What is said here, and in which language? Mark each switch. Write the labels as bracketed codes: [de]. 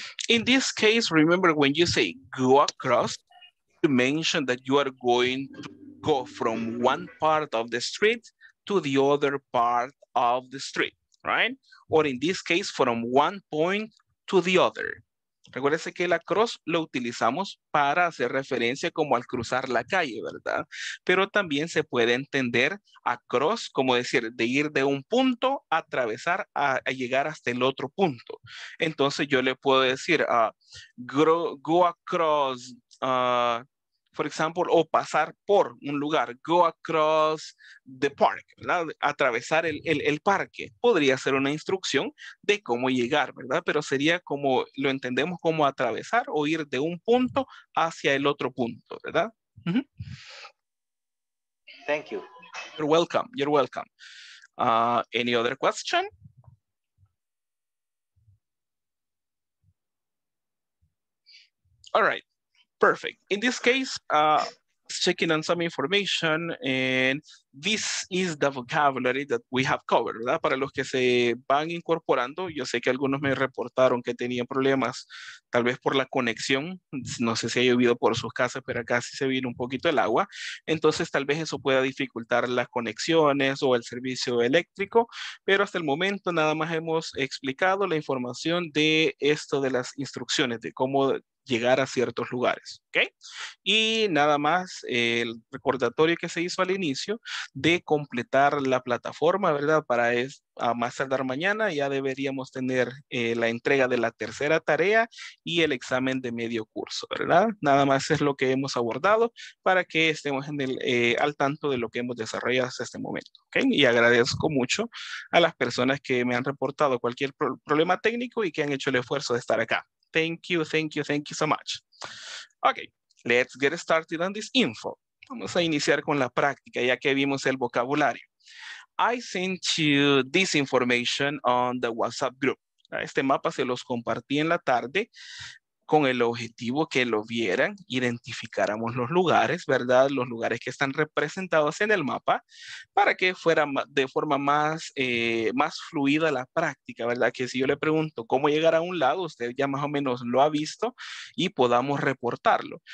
[en] In this case, remember when you say go across, you mention that you are going to go from one part of the street to the other part of the street, right? Or in this case, from one point to the other. [es] Recuérdese que el across lo utilizamos para hacer referencia como al cruzar la calle, ¿verdad? Pero también se puede entender across como decir de ir de un punto a atravesar a llegar hasta el otro punto. Entonces yo le puedo decir [en] go across, for example, [es] o pasar por un lugar, [en] go across the park, [es] ¿verdad? Atravesar el parque. Podría ser una instrucción de cómo llegar, ¿verdad? Pero sería como, lo entendemos como atravesar o ir de un punto hacia el otro punto, ¿verdad? [en] Mm-hmm. Thank you. You're welcome. You're welcome. Any other question? All right. Perfect. In this case, checking on some information, and this is the vocabulary that we have covered, ¿verdad? [es] Para los que se van incorporando, yo sé que algunos me reportaron que tenían problemas, tal vez por la conexión, no sé si ha llovido por sus casas, pero acá sí se vino un poquito el agua, entonces tal vez eso pueda dificultar las conexiones o el servicio eléctrico, pero hasta el momento nada más hemos explicado la información de esto de las instrucciones, de cómo llegar a ciertos lugares, ¿ok? Y nada más el recordatorio que se hizo al inicio de completar la plataforma, ¿verdad? Para a más tardar mañana ya deberíamos tener la entrega de la tercera tarea y el examen de medio curso, ¿verdad? Nada más es lo que hemos abordado para que estemos en al tanto de lo que hemos desarrollado hasta este momento, ¿ok? Y agradezco mucho a las personas que me han reportado cualquier problema técnico y que han hecho el esfuerzo de estar acá. [en] Thank you so much. Okay, Let's get started on this info. [es] Vamos a iniciar con la práctica ya que vimos el vocabulario. [en] I sent you this information on the WhatsApp group. [es] Este mapa se los compartí en la tarde con el objetivo que lo vieran, identificáramos los lugares, ¿verdad? Los lugares que están representados en el mapa para que fuera de forma más, más fluida la práctica, ¿verdad? Que si yo le pregunto cómo llegar a un lado, usted ya más o menos lo ha visto y podamos reportarlo.